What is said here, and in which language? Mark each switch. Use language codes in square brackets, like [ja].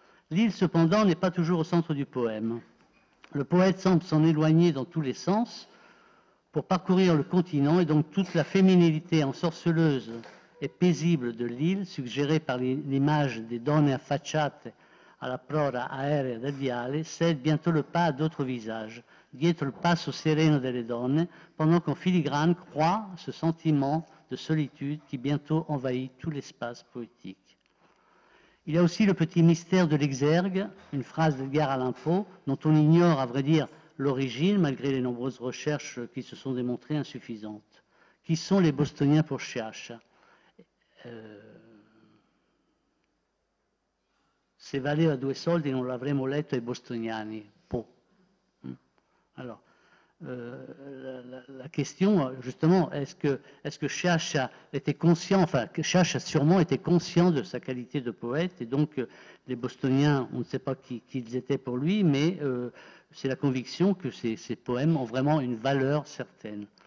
[fr] L'île, cependant, n'est pas toujours au centre du poème. Le poète semble s'en éloigner dans tous les sens pour parcourir le continent, et donc toute la féminilité ensorceleuse et paisible de l'île, suggérée par l'image des [it] donne affacciate à la prora aerea del viale, [fr] cède bientôt le pas à d'autres visages, [it] dietro il passo sereno delle donne, [fr] pendant qu'en filigrane croît ce sentiment de solitude qui bientôt envahit tout l'espace poétique. Il y a aussi le petit mystère de l'exergue, une phrase d'Edgar Allan Poe, dont on ignore, à vrai dire, l'origine, malgré les nombreuses recherches qui se sont démontrées insuffisantes. Qui sont les Bostoniens pour Chercha? [it] Se valeva due soldi, non l'avremmo letto ai Bostoniani, Poe. [fr] Alors, la question, justement, est-ce que Chercha était conscient, enfin, Chercha sûrement était conscient de sa qualité de poète, et donc les Bostoniens, on ne sait pas qui ils étaient pour lui, mais c'est la conviction que ces poèmes ont vraiment une valeur certaine.